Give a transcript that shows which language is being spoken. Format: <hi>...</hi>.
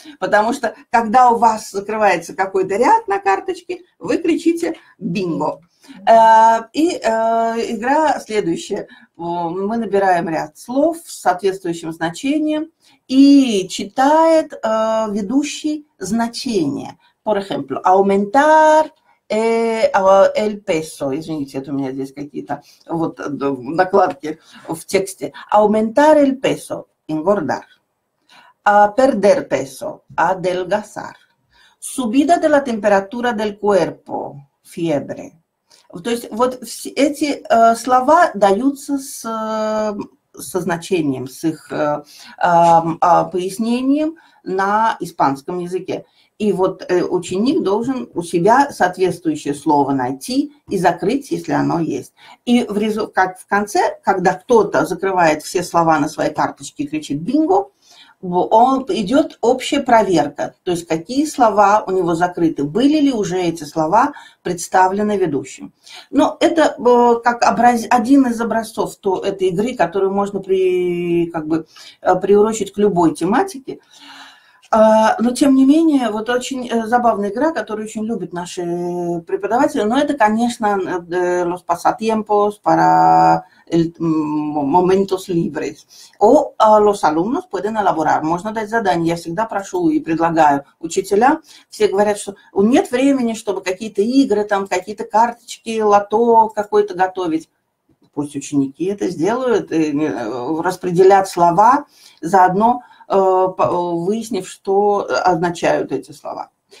<ru>Потому что, когда у вас закрывается какой-то ряд на карточке, вы кричите бинго. И игра следующая. Мы набираем ряд слов с соответствующим значением и читает ведущий значение.</ru> <es>Por ejemplo, aumentar el peso.</es> <ru>Извините, это у меня здесь какие-то вот накладки в тексте.</ru> <es>Aumentar el peso. Engordar. Perder peso. Adelgazar. Subida de la temperatura del cuerpo. Fiebre.</es> <ru>То есть вот эти слова даются со значением, с их пояснением на испанском языке. И вот ученик должен у себя соответствующее слово найти и закрыть, если оно есть. И как в конце, когда кто-то закрывает все слова на своей карточке и кричит «бинго», идет общая проверка, то есть какие слова у него закрыты, были ли уже эти слова представлены ведущим. Но это как один из образцов этой игры, которую можно приурочить к любой тематике. Но, тем не менее, вот очень забавная игра, которую очень любят наши преподаватели. Но это, конечно,</ru> <es>los pasatiempos para momentos libres. O los alumnos pueden elaborar.</es> <ru>Можно дать задание. Я всегда прошу и предлагаю учителя. Все говорят, что нет времени, чтобы какие-то игры, там, какие-то карточки, лото какое-то готовить. Пусть ученики это сделают, распределят слова, заодно выяснив, что означают эти слова.</ru>